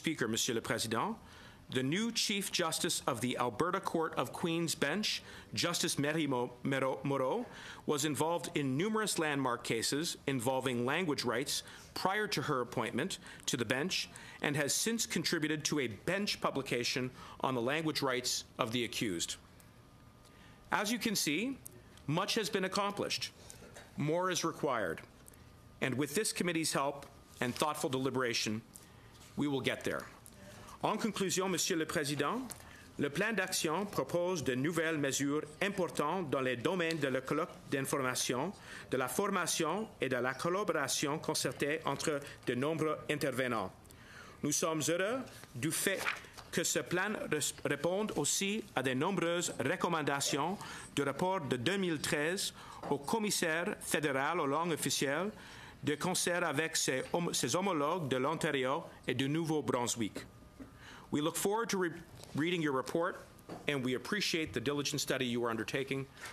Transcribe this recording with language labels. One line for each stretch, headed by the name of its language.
English: Speaker,
French: Monsieur le Président.
English: The new Chief Justice of the Alberta Court of Queen's Bench, Justice Mary Moreau, was involved in numerous landmark cases involving language rights prior to her appointment to the bench and has since contributed to a bench publication on the language rights of the accused. As you can see, much has been accomplished. More is required. And with this committee's help and thoughtful deliberation, we will get there.
French: En conclusion, Monsieur le Président, le plan d'action propose de nouvelles mesures importantes dans les domaines de la collecte d'informations, de la formation et de la collaboration concertée entre de nombreux intervenants. Nous sommes heureux du fait que ce plan réponde aussi à de nombreuses recommandations du rapport de 2013 au commissaire fédéral aux langues officielles de concert avec ses homologues de l'Ontario et du Nouveau-Brunswick.
English: We look forward to reading your report, and we appreciate the diligent study you are undertaking.